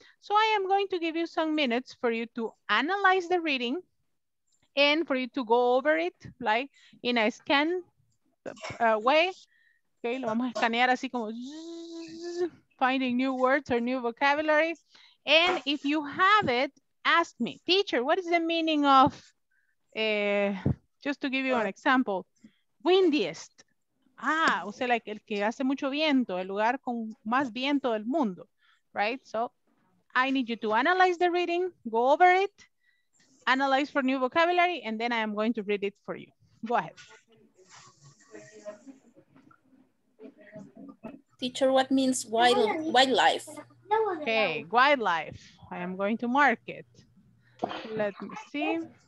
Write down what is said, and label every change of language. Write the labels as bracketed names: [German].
[English] So I am going to give you some minutes for you to analyze the reading and for you to go over it, like in a scan way. [Spanish] Okay, lo vamos a escanear así como [English] finding new words or new vocabulary. And if you have it, ask me, teacher, what is the meaning of, just to give you an example, windiest. [Spanish] Ah, o sea, like el que hace mucho viento, el lugar con más viento del mundo, right? [English] So I need you to analyze the reading, go over it, analyze for new vocabulary, and then I am going to read it for you. Go ahead. Teacher, what means wildlife? Okay, wildlife. I am going to mark it. Let me see.